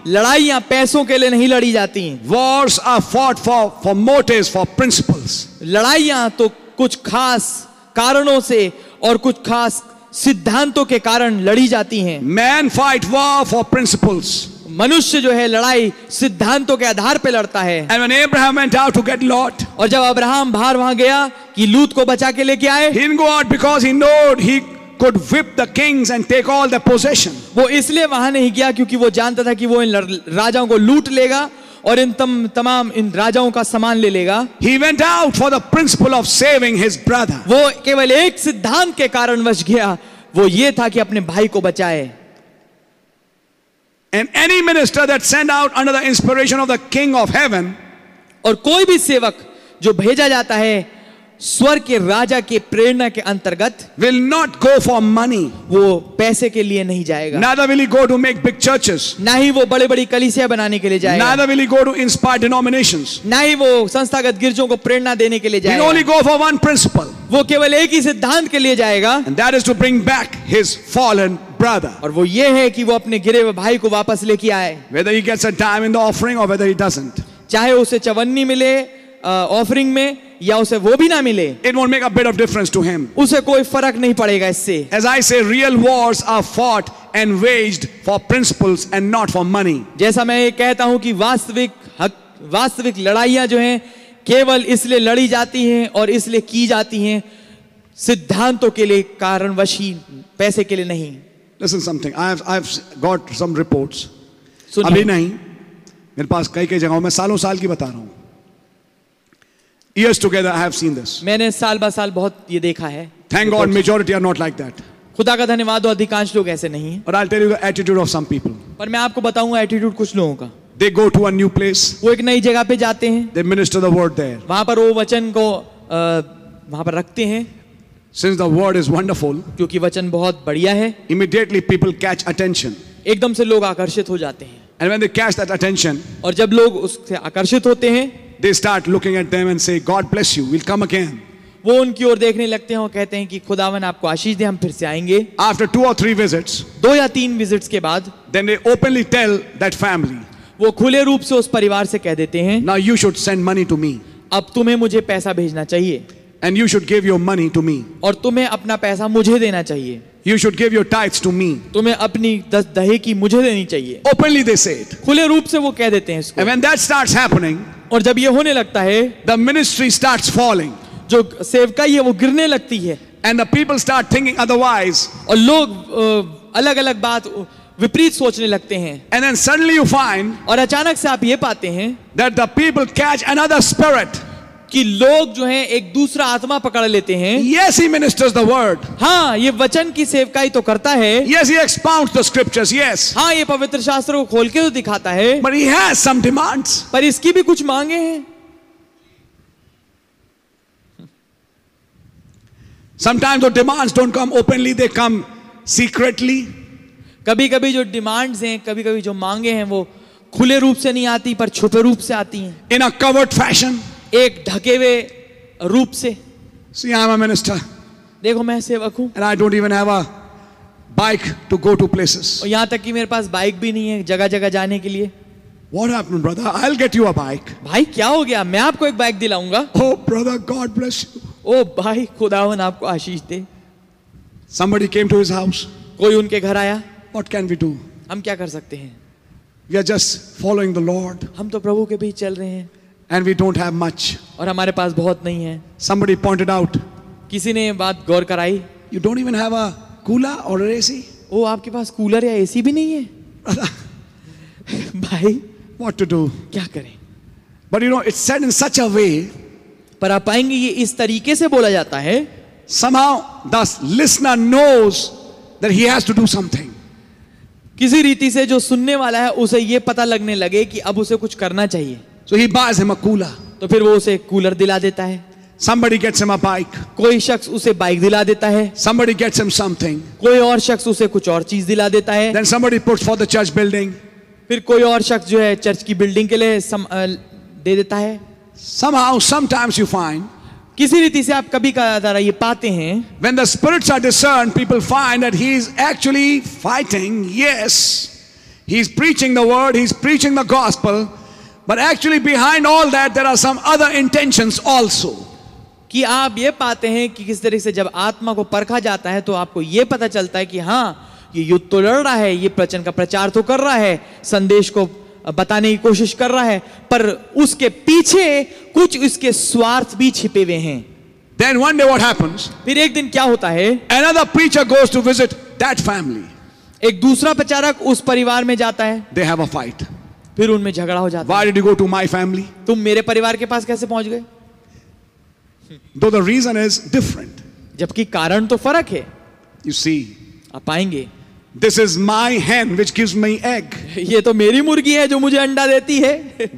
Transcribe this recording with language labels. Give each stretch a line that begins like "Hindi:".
Hindi: लड़ाइयां पैसों के लिए नहीं लड़ी जाती.
English: Wars are fought for motives, for principles.
Hindi: लड़ाइयां तो कुछ खास कारणों से और कुछ खास सिद्धांतों के कारण लड़ी जाती हैं.
English: Man fight war for principles.
Hindi: मनुष्य जो है लड़ाई सिद्धांतों के आधार पे लड़ता है.
English: And when Abraham went out to get Lot,
Hindi: और जब अब्राहम बाहर वहां गया कि लूत को बचा के लेके आए,
English: he didn't go out because he knew he could whip the kings and take all the possession.
Hindi: वो इसलिए वहां नहीं गया क्योंकि वो जानता था कि वो इन राजाओं को लूट लेगा और इन तमाम इन राजाओं का सामान ले लेगा.
English: He went out for the principle of saving his brother.
Hindi: वो केवल एक सिद्धांत के कारण वश गया, वो ये था कि अपने भाई को बचाए.
English: And any minister that sent out under the inspiration of the King of Heaven,
Hindi: और कोई भी सेवक जो भेजा जाता है स्वर के राजा के प्रेरणा के अंतर्गत,
English: will not go for money.
Hindi: वो पैसे के लिए नहीं जाएगा.
English: Neither will he go to make big churches.
Hindi: ना ही वो बड़े-बड़े कलीसिया बनाने के लिए जाएगा.
English: Neither will he go to inspire denominations.
Hindi: ना ही वो संस्थागत गिरजों को प्रेरणा देने के लिए जाएगा.
English: He only go for one principle.
Hindi: वो केवल एक ही सिद्धांत के लिए जाएगा.
English: And that is to bring back his fallen brother.
Hindi: और वो ये है कि वो अपने गिरे हुए भाई को वापस लेके आए.
English: Whether he gets a dime in the offering or whether he doesn't.
Hindi: चाहे उसे चवन्नी मिले ऑफरिंग में या उसे वो भी ना मिले,
English: It won't make a bit of difference to him.
Hindi: उसे कोई फर्क नहीं पड़ेगा इससे.
English: As I say, real wars are fought and waged for principles and not for money.
Hindi: जैसा मैं ये कहता हूं कि वास्तविक लड़ाइयां जो हैं केवल इसलिए लड़ी जाती हैं और इसलिए की जाती हैं सिद्धांतों के लिए कारणवश ही, पैसे के लिए नहीं.
English: Listen something, I've got some reports.
Hindi: अभी नहीं, मेरे पास कई कई जगहों, मैं सालों साल की बता रहा हूं.
English: Years together, I have seen this.
Hindi: मैंने साल बा साल बहुत ये देखा है.
English: Thank God, majority are not like that.
Hindi: खुदा का धन्यवाद, अधिकांश लोग ऐसे नहीं हैं.
English: But I'll tell you the attitude of some people.
Hindi: पर मैं आपको बताऊंगा attitude कुछ लोगों का.
English: They go to a new place.
Hindi: वो एक नई जगह पे जाते हैं.
English: They minister the word there.
Hindi: वहाँ पर वो वचन को वहाँ पर रखते हैं.
English: Since the word is wonderful,
Hindi: क्योंकि वचन बहुत बढ़िया है.
English: Immediately people catch attention.
Hindi: एकदम से लोग आकर्षित हो जाते हैं.
English: And when they catch that attention,
Hindi: और जब लोग उससे आकर्षित होते हैं,
English: they start looking at them and say, God bless you, we'll come again.
Hindi: वो उनकी ओर देखने लगते हैं और कहते हैं कि खुदावन आपको आशीष दे, हम फिर से आएंगे.
English: After two or three visits,
Hindi: दो या तीन विजिट्स के बाद,
English: then they openly tell that family,
Hindi: वो खुले रूप से उस परिवार से कह देते हैं,
English: now you should send money to me.
Hindi: अब तुम्हें मुझे पैसा भेजना चाहिए.
English: And you should give your money to me.
Hindi: और तुम्हें अपना पैसा मुझे देना चाहिए.
English: You should give your tithes to me.
Hindi: तुम्हें अपनी दहे की मुझे देनी चाहिए.
English: Openly they say it.
Hindi: खुले रूप से वो कह देते हैं इसको.
English: And when that starts happening,
Hindi: और जब ये होने लगता है,
English: the ministry starts falling.
Hindi: जो सेवकाई है वो गिरने लगती है.
English: And the people start thinking otherwise.
Hindi: और लोग अलग अलग बात विपरीत सोचने लगते हैं
English: and then suddenly you find
Hindi: और अचानक से आप ये पाते हैं
English: that the people catch another spirit
Hindi: कि लोग जो हैं एक दूसरा आत्मा पकड़ लेते हैं
English: yes he ministers the word
Hindi: हाँ ये वचन की सेवकाई तो करता है
English: yes he expounds the scriptures yes
Hindi: हाँ ये पवित्र शास्त्र को खोल के तो दिखाता है
English: but he has some demands
Hindi: पर इसकी भी कुछ मांगे हैं
English: sometimes the demands don't come openly they come secretly
Hindi: कभी कभी जो डिमांड्स हैं, कभी कभी जो मांगे हैं वो खुले रूप से नहीं आती पर छुपे रूप से आती हैं।
English: In a covered fashion,
Hindi: एक ढके हुए रूप से।
English: See, I'm a minister.
Hindi: देखो मैं सेवक हूँ।
English: And I don't even have a bike to go to places.
Hindi: और यहाँ तक कि मेरे पास बाइक भी नहीं है जगह जगह जाने के लिए
English: What happened, brother? I'll get you a bike.
Hindi: भाई क्या हो गया मैं आपको एक bike दिलाऊंगा
English: Oh, brother, God bless you.
Hindi: Oh, भाई खुदावन आपको आशीष दे
English: Somebody came to his house.
Hindi: कोई उनके घर आया
English: What can we do?
Hindi: हम क्या कर सकते हैं?
English: We are just following the Lord.
Hindi: हम तो प्रभु के पीछे चल रहे हैं.
English: And we don't have much.
Hindi: और हमारे पास बहुत नहीं है.
English: Somebody pointed out.
Hindi: किसी ने बात गौर कराई.
English: You don't even have a cooler or an AC.
Hindi: ओ आपके पास कूलर या एसी भी नहीं है. भाई.
English: What to do?
Hindi: क्या करें?
English: But you know, it's said in such a way.
Hindi: पर आप पाएंगे ये इस तरीके से बोला जाता है.
English: Somehow the listener knows that he has to do something.
Hindi: किसी रीति से जो सुनने वाला है उसे ये पता लगने लगे कि अब उसे कुछ करना चाहिए
English: so he buys him a cooler.
Hindi: तो फिर वो उसे कूलर दिला देता है
English: Somebody gets him a bike.
Hindi: कोई शख्स उसे बाइक दिला देता है
English: Somebody gets him something.
Hindi: कोई और शख्स उसे कुछ और चीज दिला देता है
English: Then somebody puts for the church building.
Hindi: फिर कोई और शख्स जो है चर्च की बिल्डिंग के लिए दे देता है
English: Somehow, sometimes you find
Hindi: किसी रीति से आप कभी कदर ये पाते हैं
English: When the spirits are discerned, people find that he is actually fighting. Yes, he is preaching the word, he is preaching the gospel, but actually behind all that, there are some other intentions also.
Hindi: कि आप ये पाते हैं कि किस तरीके से जब आत्मा को परखा जाता है तो आपको ये पता चलता है कि हाँ ये युद्ध तो लड़ रहा है ये प्रचन का प्रचार तो कर रहा है संदेश को बताने की कोशिश कर रहा है पर उसके पीछे कुछ उसके स्वार्थ भी छिपे हुए हैं
English: Then one day what happens?
Hindi: फिर एक दिन क्या होता है?
English: Another preacher goes to visit that family.
Hindi: एक दूसरा प्रचारक उस परिवार में जाता है
English: They have a fight.
Hindi: फिर उनमें झगड़ा हो जाता है
English: Why did you go to my family?
Hindi: तुम मेरे परिवार के पास कैसे पहुंच गए?
English: Though the reason is different.
Hindi: जबकि कारण तो फर्क है
English: You see,
Hindi: आप आएंगे
English: This is my hen which gives me egg.
Hindi: ये तो मेरी मुर्गी है जो मुझे अंडा देती है.